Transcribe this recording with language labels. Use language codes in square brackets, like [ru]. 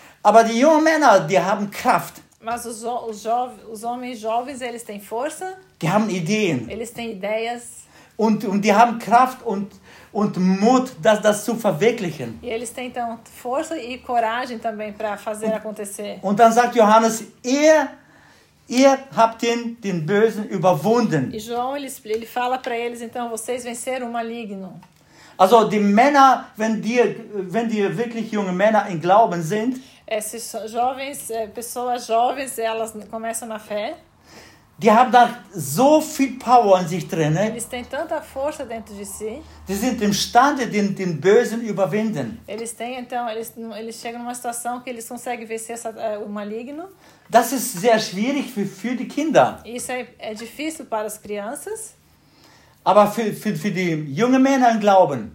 [de] Aber die jungen Männer, die haben Kraft. [pt] Mas os homens jovens, eles têm força. [de] Die haben Ideen. [pt] Eles têm ideias. [de] Und die haben Kraft und Mut, das zu verwirklichen. [pt] E eles têm então força e coragem também para fazer acontecer. [de] Und dann sagt Johannes, ihr habt den Bösen überwunden. [pt] E João ele fala para eles então, vocês venceram o maligno. [de] Also die Männer, wenn die wirklich junge Männer im Glauben sind. [pt] Esses jovens, pessoas jovens, elas começam na fé. [de] Die haben da so viel Power in sich drin. [pt] Eles têm tanta força dentro de si. [de] Die sind imstande, den Bösen überwinden. [pt] Eles têm então, eles chegam numa situação que eles conseguem vencer o maligno. [de] Das ist sehr schwierig für die Kinder. [pt] Isso é difícil para as crianças. [de] Aber für die jungen Männer im Glauben.